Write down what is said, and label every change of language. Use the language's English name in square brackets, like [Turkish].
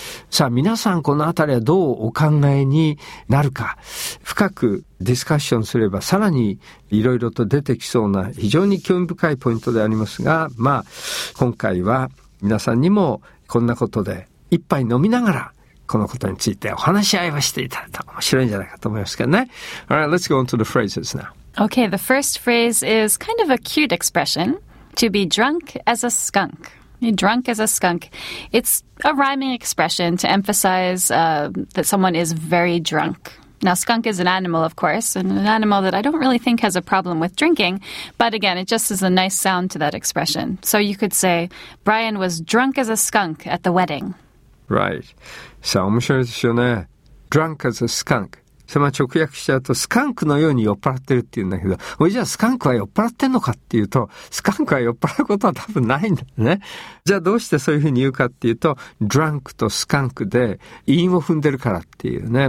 [Japanese] さあ皆さんこのあたりはどうお考えになるか、深くディスカッションすればさらにいろいろと出てきそうな非常に興味深いポイントでありますが、まあ今回は皆さんにもこんなことで一杯飲みながらこのことについてお話し合いをしていただいたら面白いんじゃないかと思いますけどね。 [English] Alright, let's go on to the phrases now. Okay, the first phrase is kind of a cute expression. To be drunk as a skunk. Drunk as a skunk. It's a rhyming expression to emphasize that someone is very drunk. Now, skunk is an animal, of course, and an animal that I don't really think has a problem with drinking. But again, it just is a nice sound to that expression. So you could say, Brian was drunk as a skunk at the wedding. Right. [Japanese] さあ、面白いですよね。 [English] Drunk as a skunk. [Japanese] それは直訳しちゃうと、スカンクのように酔っ払ってるっていうんだけど、おい、じゃあスカンクは酔っ払ってんのかっていうと、スカンクは酔っ払うことは多分ないんだよね。じゃあどうしてそういうふうに言うかっていうと、Drunk とスカンクで韻を踏んでるからっていうね。